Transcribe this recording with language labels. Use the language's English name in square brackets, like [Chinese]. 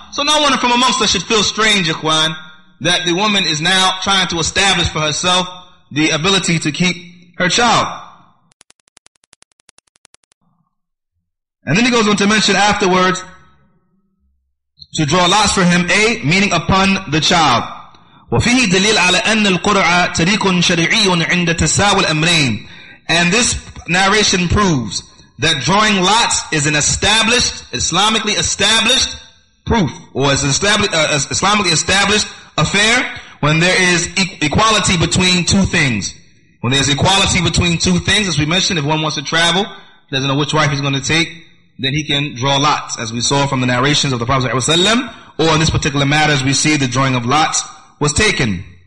[English] So no one from amongst us should feel strange, ikhwan, that the woman is now trying to establish for herself the ability to keep her child. And then he goes on to mention afterwards to draw lots for him, A, meaning upon the child. [Arabic] وفيه دليل على أن القرعة تريك شرعي عند تساوي الأمرين. [English] And this narration proves that drawing lots is an established, Islamically established proof, or is Islamically established affair when there is equality between two things. When there's equality between two things, as we mentioned, if one wants to travel, doesn't know which wife he's going to take, then he can draw lots, as we saw from the narrations of the Prophet ﷺ, or in this particular matter, as we see, the drawing of lots was taken.